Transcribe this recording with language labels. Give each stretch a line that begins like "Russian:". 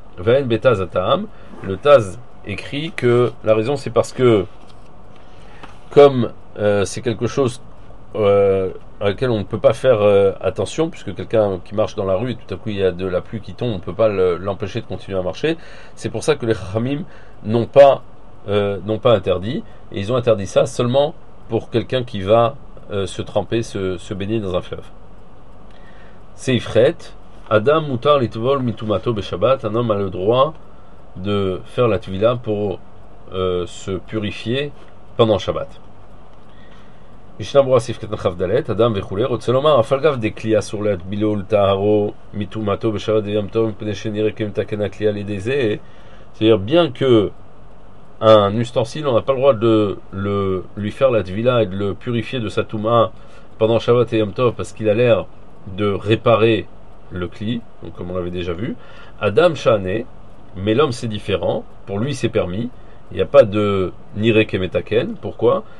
French: Ven betaz ataam. Le Taz écrit que la raison c'est parce que comme c'est quelque chose à laquelle on ne peut pas faire attention, puisque quelqu'un qui marche dans la rue et tout à coup il y a de la pluie qui tombe, on ne peut pas l'empêcher de continuer à marcher, c'est pour ça que les Chachamim n'ont pas interdit, et ils ont interdit ça seulement pour quelqu'un qui va se tremper, se baigner dans un fleuve.
Hebrew: Seifret, Adam mutar litvol mitumato beshabbat.
French: Un homme a le droit de faire la tvila pour se purifier pendant Shabbat.
Hebrew: משנה ברורה סעיף קטן כ"ד, אדם וכו', רוצה לומר, אף על גב דקלי אסור להטבילו ולטהרו מטומאתו בשבת ויום טוב, מפני שנראה כמתקן הכלי על ידי זה.
French: C'est-à-dire, bien que un ustensile, on n'a pas le droit de le, lui faire la tvila et de le purifier de sa touma pendant Shabbat et Yom Tov parce qu'il a l'air de réparer le kli, donc comme on l'avait déjà vu. Adam Shane, mais l'homme c'est différent, pour lui c'est permis, il n'y a pas de nire kemetaken, pourquoi?